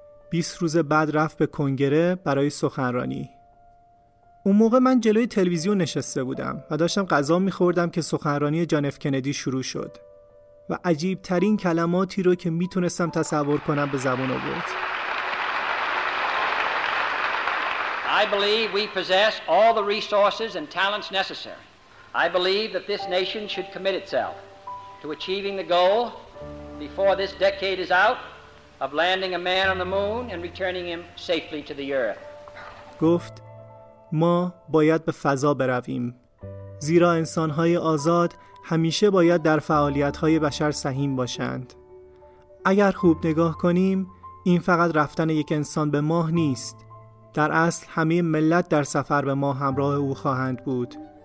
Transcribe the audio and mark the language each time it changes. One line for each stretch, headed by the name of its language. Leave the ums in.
Persian: 20 روز بعد رفت به کنگره برای سخنرانی. اون موقع من جلوی تلویزیون نشسته بودم و داشتم غذا میخوردم که سخنرانی جان اف کندی شروع شد. و عجیب ترین کلماتی رو که میتونستم تصور کنم به زبان آورد.
English: I believe we possess all the resources and talents necessary. I believe that this nation should commit itself to achieving the goal before this decade is out of landing a man on the moon and returning him safely to the earth.
Persian: گفت ما باید به فضا برویم زیرا انسان‌های آزاد همیشه باید در فعالیت‌های بشر سهیم باشند. اگر خوب نگاه کنیم، این فقط رفتن یک انسان به ماه نیست. در اصل همه ملت در سفر به ماه همراه او خواهند بود.